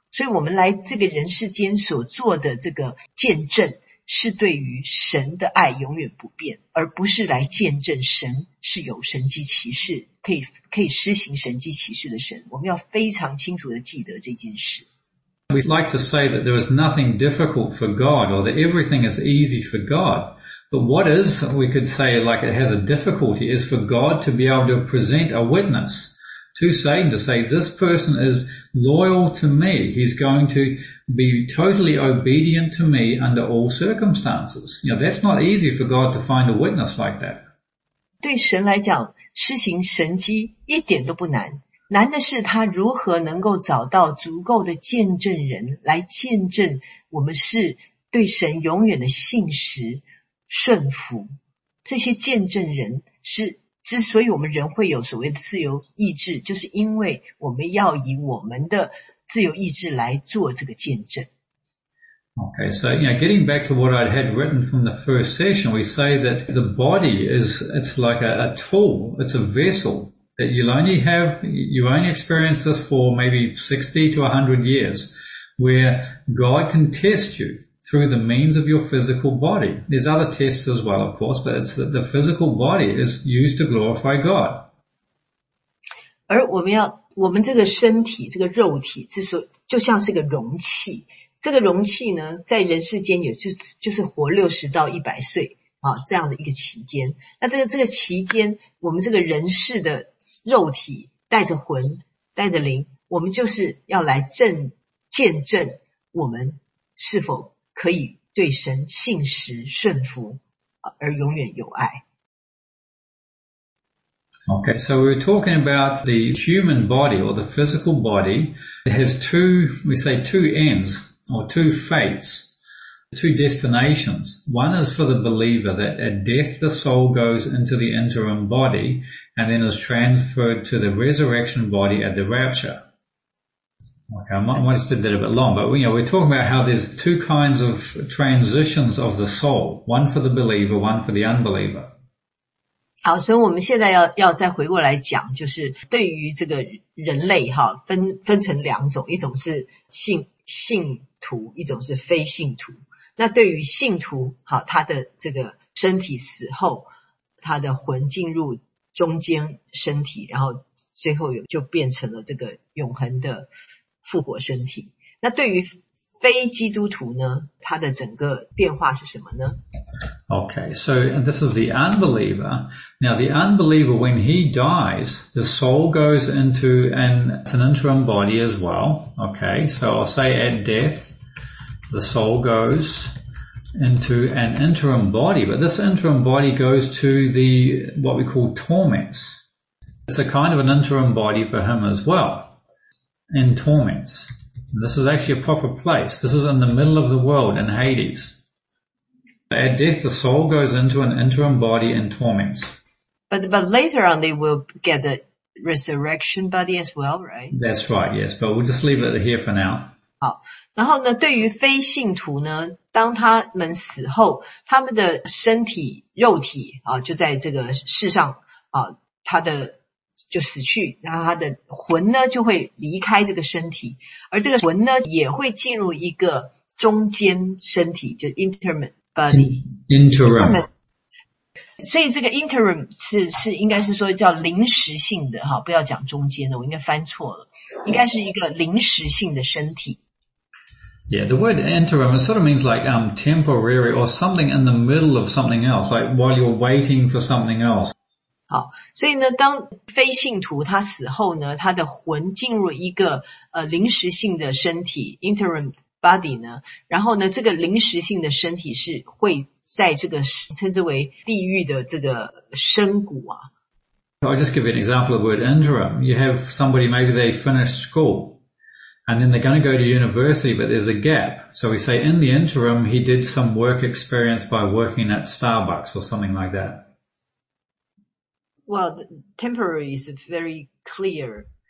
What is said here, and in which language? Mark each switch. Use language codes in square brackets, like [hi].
[zh] 所以我们来这个人世间所做的这个见证是对于神的爱永远不变，而不是来见证神是有神迹奇事，可以施行神迹奇事的神。我们要非常清楚的记得这件事。 [en] We'd like to say that there is nothing difficult for God, or that everything is easy for God. But what is, we could say, like it has a difficulty, is for God to be able to present a witness to Satan to say, this person is loyal to me. He's going to be totally obedient to me under all circumstances. You know, that's not easy for God to find a witness like that. [zh] 对神来讲，施行神迹一点都不难。难的是他如何能够找到足够的见证人来见证我们是对神永远的信实。顺服这些见证人是之所以我们人会有所谓的自由意志，就是因为我们要以我们的自由意志来做这个见证。 [en] Okay, so you know, getting back to what I had written from the first session, we say that the body is, it's like a tool, it's a vessel that you only experience this for maybe 60 to 100 years, where God can test youthrough the means of your physical body. There's other tests as well, of course, but it's that the physical body is used to glorify God. [zh] 而我们这个身体，这个肉体，就像是个容器。这个容器呢，在人世间也就是活60到100岁啊，这样的一个期间。那这个期间，我们这个人世的肉体带着魂，带着灵，我们就是要来见证我们是否可以对神信实顺服而永远有爱。 [en] Okay, so we're talking about the human body or the physical body. It has two ends or two fates, two destinations. One is for the believer that at death the soul goes into the interim body and then is transferred to the resurrection body at the rapture. Okay, I might have said that a bit long, but you know, we're talking about how there's two kinds of transitions of the soul, one for the believer, one for the unbeliever. [zh] 好，所以我们现在要再回过来讲，就是对于这个人类哈，分成两种，一种是信徒，一种是非信徒。那对于信徒，好，他的这个身体死后，他的魂进入中间身体，然后最后就变成了这个永恒的复活身体。那对于非基督徒呢，他的整个变化是什么呢？ [en] Okay, so this is the unbeliever. Now the unbeliever, when he dies, the soul goes into an interim body as well. Okay, so I'll say at death, the soul goes into an interim body, but this interim body goes to the, what we call torments. It's a kind of an interim body for him as well, in torments. And this is actually a proper place. This is in the middle of the world, in Hades. At death, the soul goes into an interim body in torments. But later on, they will get the resurrection body as well, right? That's right, yes. But we'll just leave it here for now. [zh] 好，然后呢，对于非信徒呢，当他们死后，他们的身体、肉体啊，就在这个世上啊，他的就死去，然后他的魂呢就会离开这个身体，而这个魂呢也会进入一个中间身体，就 interim body。 [en] interim。 [zh] 所以这个 interim 是应该是说叫临时性的哈，不要讲中间的，我应该翻错了，应该是一个临时性的身体。 [en] Yeah, the word interim, it sort of means like temporary or something in the middle of something else, like while you're waiting for something else. [zh] 好，所以呢，当非信徒他死后呢，他的魂进入一个临时性的身体 interim body 呢，然后呢，这个临时性的身体是会在这个称之为地狱的这个深谷啊。 [en] I'll just give you an example of the word interim. You have somebody, maybe they finished school. And then they're going to go to university, but there's a gap. So we say in the interim, he did some work experience by working at Starbucks or something like that. Well, temporary is very clear.